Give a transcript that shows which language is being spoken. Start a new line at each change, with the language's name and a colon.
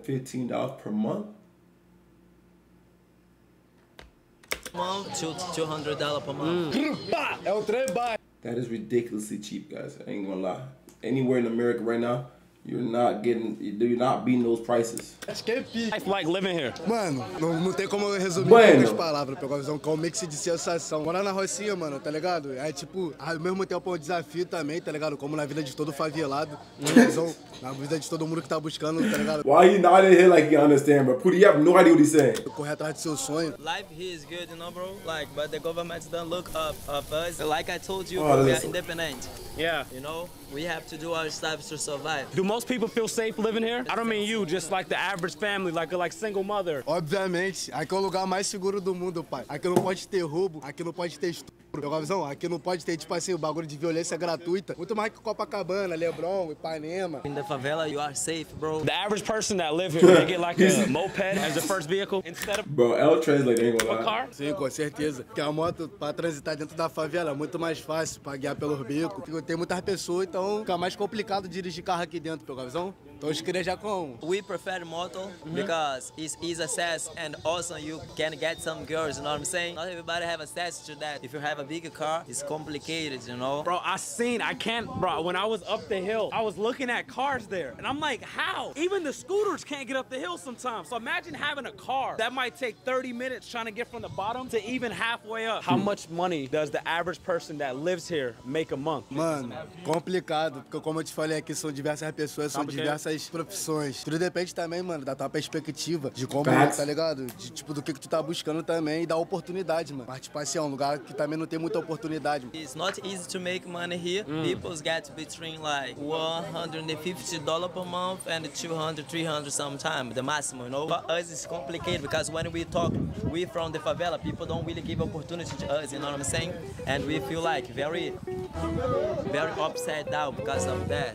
English: $115 per month? $200 per month. That is ridiculously cheap, guys. I ain't gonna lie. Anywhere in America right now, you're not beating those prices. It's like living here.
Portuguese: Mano, não tem como eu resumir em poucas palavras, pegou a visão, que é um mix de sensação. Morar na Rocinha, mano, tá ligado? É tipo, ao mesmo tempo é um desafio também, tá ligado? Como na vida de todo favelado, na vida de todo mundo que tá buscando, tá ligado?
English: Why he nodded here like he understand, bro? Put, he have no idea what he's saying.
Portuguese: Correr atrás de seu sonho.
English: Life here is good, you know, bro? Like, but the government don't look up of us. Like I told you, we are independent. Yeah. You know, we have to do our stuff to survive. Do most people feel safe living here? I don't mean you, just like the average family, like single mother.
Portuguese: Obviamente, aqui é o lugar mais seguro do mundo, pai. Aqui não pode ter roubo, aqui não pode ter estupro. Pegou a visão? Aqui não pode ter, tipo assim, o bagulho de violência gratuita. Muito mais que Copacabana, Leblon, Ipanema.
English: In the favela, you are safe, bro. The average person that live here, they get like a moped as the first vehicle. Instead of... Bro, L translate ain't gonna lie. A car?
Portuguese: Sim, com certeza. Porque a moto, pra transitar dentro da favela, é muito mais fácil pra guiar pelos bicos. Tem muitas pessoas, então fica mais complicado dirigir carro aqui dentro, pegou a visão? Então escreve já com.
English: We prefer moto because it's easy access and also you can get some girls, you know what I'm saying? Not everybody have access to that. If you have a bigger car, it's complicated, you know? Bro, when I was up the hill, I was looking at cars there. And I'm like, how? Even the scooters can't get up the hill sometimes. So imagine having a car that might take 30 minutes trying to get from the bottom to even halfway up. How much money does the average person that lives here make a month? Man, complicated.
Portuguese: complicado, porque como eu te falei aqui, são diversas pessoas, são diversas profissões. Tudo depende também, mano, da tua perspectiva, de como, tá ligado? De, tipo, do que tu tá buscando também e da oportunidade, mano. Mas, tipo, assim, é um lugar que também não tem muita oportunidade, mano.
English: It's not easy to make money here. People get between, like, $150 per month and $200-$300 sometimes, the maximum, you know? For us, it's complicated, because when we talk, we from the favela, people don't really give opportunity to us, you know what I'm saying? And we feel like very upset down because of that.